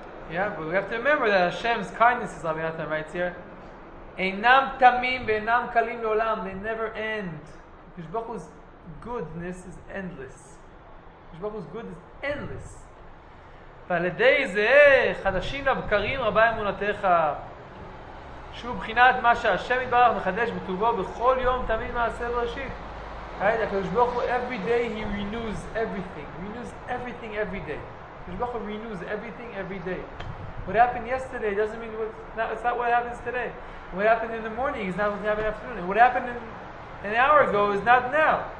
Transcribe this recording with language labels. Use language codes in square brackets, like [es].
[en] Yeah, but we have to remember that Hashem's kindness is Rabbi Nathan writes here. [he] Einam tamim ve'einam kalim le'olam. [en] They never end. Kadosh Baruch Hu's goodness is endless. Kadosh Baruch Hu's good is endless. [he] ועל ידי זה, חדשים לבקרים רבה אמונתך. שוב, בחינת מה שהשם יתברך מחדש בטובו בכל יום תמיד מעשה בראשית. [en] Right? הקדוש ברוך הוא, every day he renews everything. He renews everything every day. הקדוש ברוך הוא renews everything every day. What happened yesterday doesn't mean it's not what happens today. What happened in the morning is not what happened in the afternoon. And what happened an hour ago is not now.